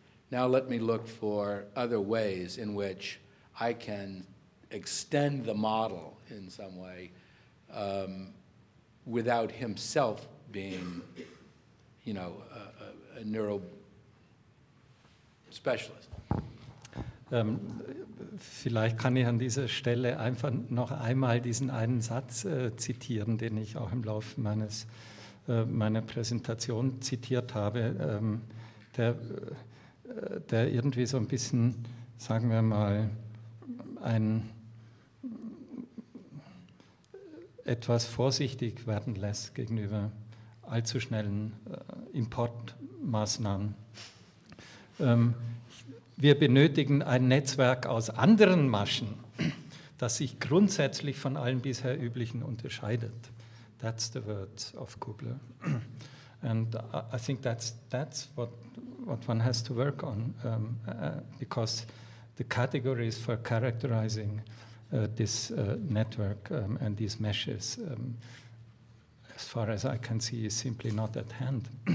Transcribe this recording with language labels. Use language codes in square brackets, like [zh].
[en] Now let me look for other ways in which I can extend the model in some way without himself being, you know, a neuro specialist. [de] Vielleicht kann ich an dieser Stelle einfach noch einmal diesen einen Satz zitieren, den ich auch im Laufe meiner Präsentation zitiert habe, der irgendwie so ein bisschen, sagen wir mal, etwas vorsichtig werden lässt gegenüber allzu schnellen Importmaßnahmen. Wir benötigen ein Netzwerk aus anderen Maschen, das sich grundsätzlich von allen bisher üblichen unterscheidet. [en] That's the word of Kubler. And I think that's what one has to work on, because the categories for characterizing this network and these meshes, as far as I can see, is simply not at hand.